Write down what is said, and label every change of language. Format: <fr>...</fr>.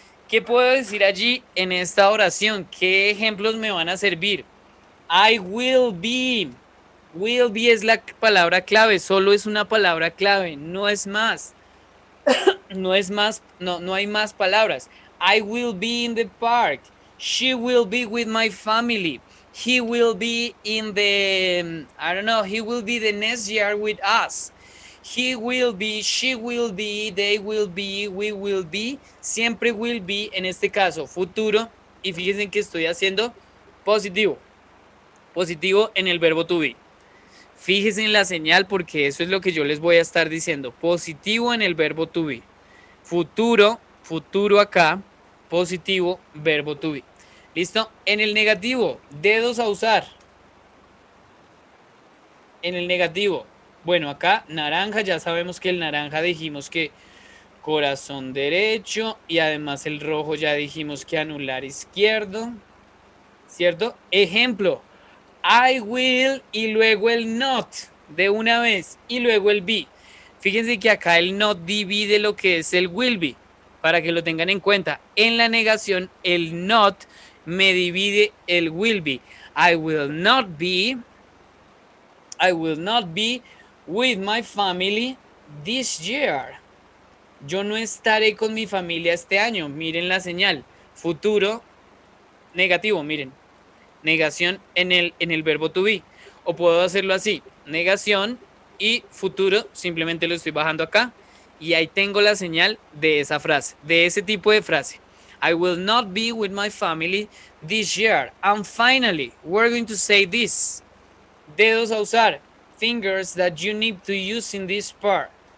<es>¿Qué puedo decir allí en esta oración? ¿Qué ejemplos me van a servir?</es> <en>I will be. Will be</en> <es>es la palabra clave, solo es una palabra clave, no es más. No es más, no, no hay más palabras.</es> <en>I will be in the park. She will be with my family. He will be in the, I don't know, he will be the next year with us. He will be, she will be, they will be, we will be.</en> <es>Siempre</es> <en>will be,</en> <es>en este caso, futuro. Y fíjense que estoy haciendo positivo. Positivo en el verbo to be. Fíjense en la señal porque eso es lo que yo les voy a estar diciendo. Positivo en el verbo to be. Futuro, futuro acá, positivo, verbo to be. ¿Listo? En el negativo, dedos a usar. En el negativo. Bueno, acá naranja, ya sabemos que el naranja dijimos que corazón derecho y además el rojo ya dijimos que anular izquierdo, ¿cierto? Ejemplo, I will y luego el not de una vez y luego el be. Fíjense que acá el not divide lo que es el will be, para que lo tengan en cuenta. En la negación, el not me divide el will be.</es> <en>I will not be, I will not be with my family this year.</en> <es>Yo no estaré con mi familia este año. Miren la señal. Futuro negativo, miren. Negación en el verbo to be. O puedo hacerlo así. Negación y futuro. Simplemente lo estoy bajando acá. Y ahí tengo la señal de esa frase. De ese tipo de frase.</es> <en>I will not be with my family this year. And finally, we're going to say this.</en> <es>Dedos a usar.</es> <en>Fingers that you need to use in this part.</en>